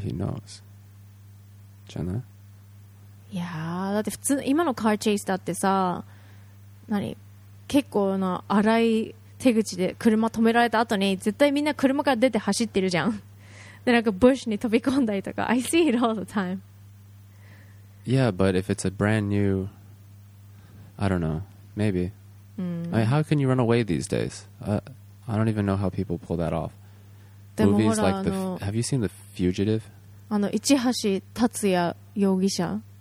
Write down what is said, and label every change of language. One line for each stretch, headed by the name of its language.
English: He knows. Jenna?
Japanese: Yeah, だって普通今のカーチェイスだってさ、何結構な荒い手口で車止められた後に絶対みんな車から出て走ってるじゃん。でなんかブッシュに飛び込んだりとか。
English: I see it all the time. Yeah, but if it's a brand new, I don't know, maybe、 mm. I mean, how can you run away these days? I don't even know how people pull that off. Movies like Have you seen The Fugitive?
Japanese: あの市橋達也容疑者、